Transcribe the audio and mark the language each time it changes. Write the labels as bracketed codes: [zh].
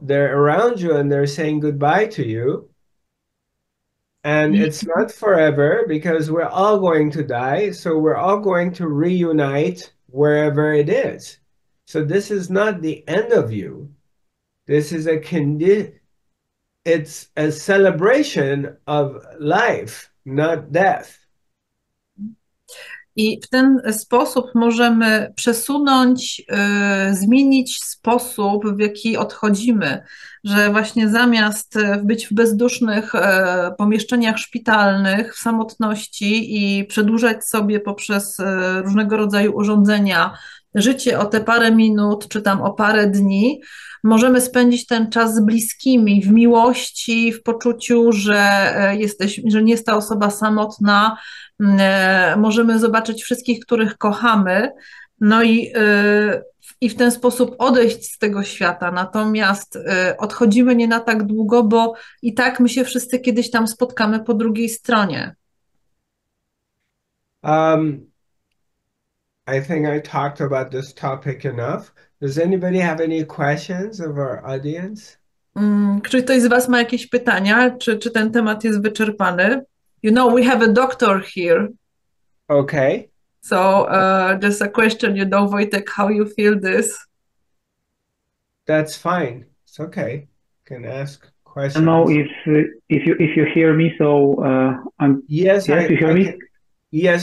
[en] They're around you and they're saying goodbye to you. And it's not forever because we're all going to die. So we're all going to reunite wherever it is. So this is not the end of you. This is a it's a celebration of life, not death. [pl] I w ten sposób możemy przesunąć, zmienić sposób, w jaki odchodzimy, że właśnie zamiast być w bezdusznych pomieszczeniach szpitalnych, w samotności i przedłużać sobie poprzez różnego rodzaju urządzenia życie o te parę minut, czy tam o parę dni, możemy spędzić ten czas z bliskimi, w miłości, w poczuciu, że nie jest ta osoba samotna, możemy zobaczyć wszystkich, których kochamy, no i w ten sposób odejść z tego świata. Natomiast odchodzimy nie na tak długo, bo i tak my się wszyscy kiedyś tam spotkamy po drugiej stronie. [en] I think I talked about this topic enough. Does anybody have any questions of our audience? [pl] Czy ktoś z Was ma jakieś pytania? Czy ten temat jest wyczerpany? [en] You know, we have a doctor here. Okay. So, just a question, you know, Wojtek, how you feel this? That's fine. It's okay. You can ask questions. I don't know if you hear me, so I'm... Yes, yes, you hear I me? Can. Yes,